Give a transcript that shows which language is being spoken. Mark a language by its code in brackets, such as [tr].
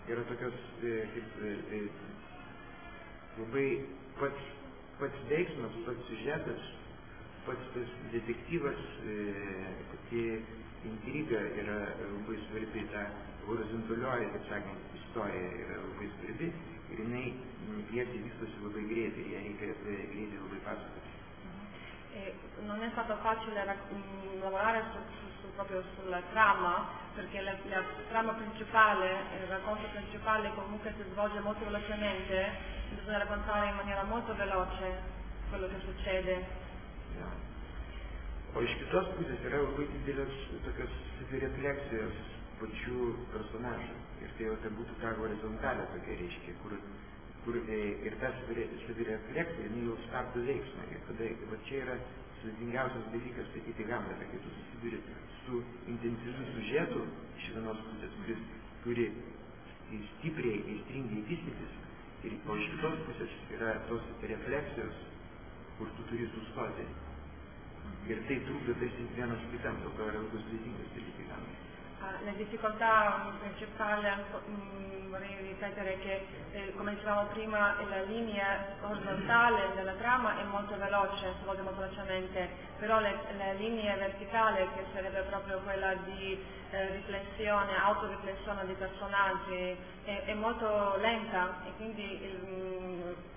[lt] tokios kaip labai pats veiksmas, pats siužetas, pats tas detektyvas, pati intriga yra labai svarbi, ta horizontalioji, taip sakant, istorija yra labai svarbi ir jinai tiesiai vystosi labai greitai, jie reikia greitai labai pasakoti. [it] Non è stato facile lavorare proprio sulla trama, perché la trama principale, il racconto principale comunque si svolge molto velocemente, bisogna raccontare in maniera molto veloce quello che succede. [lt] O iš kitos pusės yra labai didelės tokios savirefleksijos pačių personažų. Ir tai jau būtų ta horizontalė tokia reiškia, kur ir ta savirefleksija, jinai jau startų veiksmą. Ir tada čia yra sudėtingiausias dalykas statyti Hamletą, kai tu susiduri su intensyviu siužetu iš vienos pusės, kuris turi stipriai aistringai vystytis, ir o iš kitos pusės yra tos refleksijos, kur tu turi sustoti. Ir tai trukdo tarsi vienas kitam, dėl to yra labai sudėtingas dalykas Hamletą. [it] La difficoltà principale, vorrei ripetere, che come dicevamo prima, la linea orizzontale della trama è molto veloce, si vuole molto velocemente, però la linea verticale, che sarebbe proprio quella di riflessione, autoriflessione dei personaggi, è molto lenta e quindi